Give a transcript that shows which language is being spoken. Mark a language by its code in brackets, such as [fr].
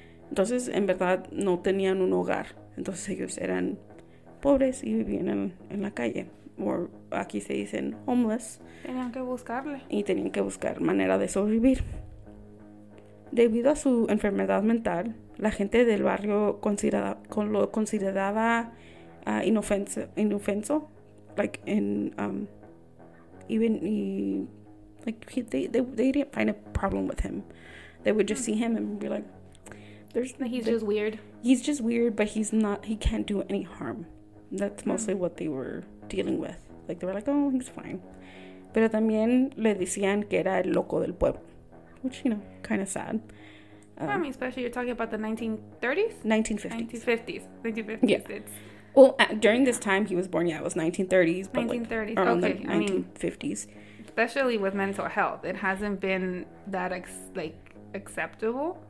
[es] Entonces en verdad no tenían un hogar. Entonces ellos eran pobres y vivían en la calle. O aquí se dicen homeless. Tenían que buscarle. Y tenían que buscar manera de sobrevivir. Debido a su enfermedad mental, la gente del barrio lo consideraba inofenso. [en] Like in, even he, like he, they didn't find a problem with him. They would just see him and be like, Just weird. He's just weird, but he can't do any harm. That's mostly what they were dealing with. Like, they were like, oh, he's fine. [es] Pero también le decían que era el loco del pueblo. [en] Which, you know, kind of sad. I mean, especially you're talking about the 1950s. Yeah. Well, during this time he was born, yeah, it was 1930s. But 1930s, like, okay. The 1950s. I mean, especially with mental health. It hasn't been that, acceptable.